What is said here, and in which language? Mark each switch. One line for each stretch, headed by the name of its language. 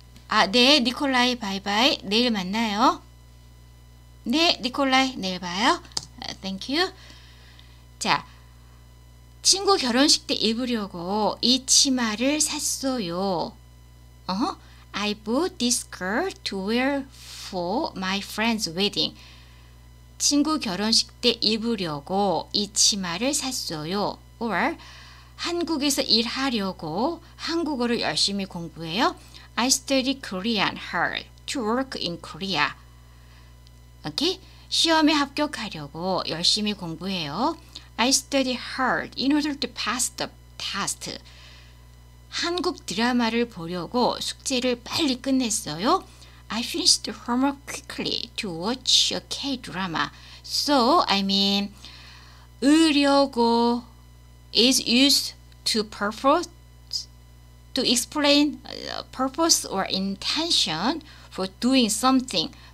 Korean: 아, 네, 니콜라이 바이바이. 내일 만나요. 네, 니콜라이. 내일 봐요.
English: Thank you.
Korean: 자, 친구 결혼식 때 입으려고 이 치마를 샀어요.
English: I bought this skirt to wear for my friend's wedding.
Korean: 친구 결혼식 때 입으려고 이 치마를 샀어요. Or 한국에서 일하려고 한국어를 열심히 공부해요.
English: I study Korean hard to work in Korea. Okay?
Korean: 시험에 합격하려고 열심히 공부해요.
English: I study hard in order to pass the test.
Korean: 한국 드라마를 보려고 숙제를 빨리 끝냈어요.
English: I finished the homework quickly to watch a K-drama. So, I mean, 으려고 is used to purpose, to explain purpose or intention for doing something.